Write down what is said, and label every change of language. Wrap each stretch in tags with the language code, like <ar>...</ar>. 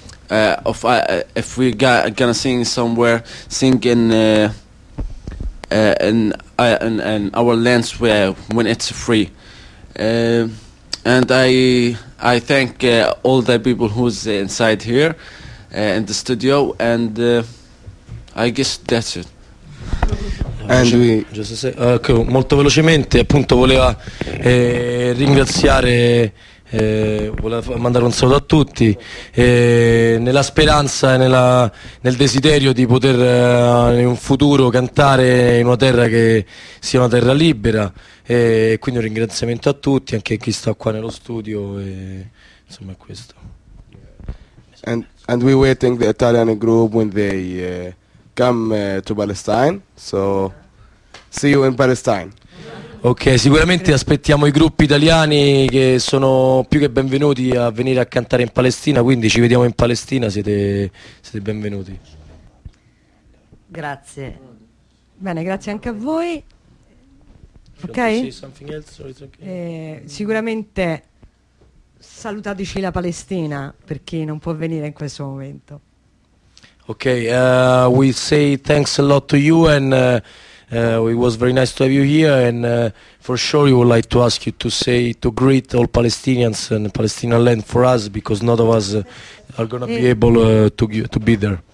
<en>if we gonna sing somewhere, sing in our lands when it's free, and I thank all the people who's inside here. In the studio, and I guess that's it. And we just say, okay,</en> <it>molto velocemente, appunto, voleva ringraziare, voleva mandare un saluto a tutti, nella speranza e nel desiderio di poter in un futuro cantare in una terra che sia una terra libera, e quindi un ringraziamento a tutti, anche a chi sta qua nello studio, e insomma, questo.</it> <en>And we're waiting the Italian group when they come to Palestine. So, see you in Palestine.</en> <it>Ok, sicuramente aspettiamo i gruppi italiani che sono più che benvenuti a venire a cantare in Palestina, quindi ci vediamo in Palestina, siete benvenuti. Grazie. Bene, grazie anche a voi. Ok? Sicuramente... Salutateci la Palestina per chi non può venire in questo momento.</it> <en>Ok, we say thanks a lot to you, and It was very nice to have you here, and for sure we would like to ask you to say, to greet all Palestinians and Palestinian land for us, because none of us are going to be able to be there.</en>